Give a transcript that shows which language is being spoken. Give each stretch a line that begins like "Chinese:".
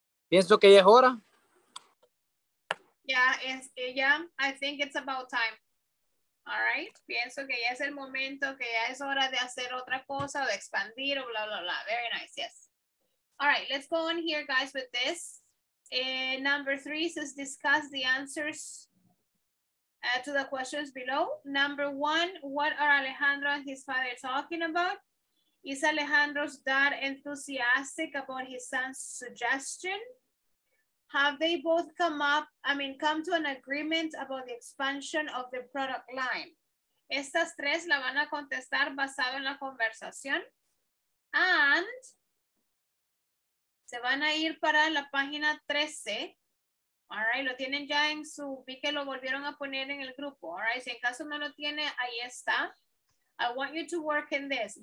Spanish: Pienso que ya es hora.
English: Yeah, I think it's about time. All right.
Spanish: Pienso que ya es el momento, que ya es hora de hacer otra cosa, de expandir, o bla, bla, bla.
English: Very nice, yes. All right, let's go on here, guys, with this. Number three says discuss the answers to the questions below. Number one, what are Alejandro and his father talking about? Is Alejandro's dad enthusiastic about his son's suggestion? Have they both come to an agreement about the expansion of the product line?
Spanish: Estas tres la van a contestar basado en la conversación. And se van a ir para la página 13.
English: All right,
Spanish: lo tienen ya en su, vi que lo volvieron a poner en el grupo.
English: All right,
Spanish: si en caso no lo tiene, ahí está.
English: I want you to work in this.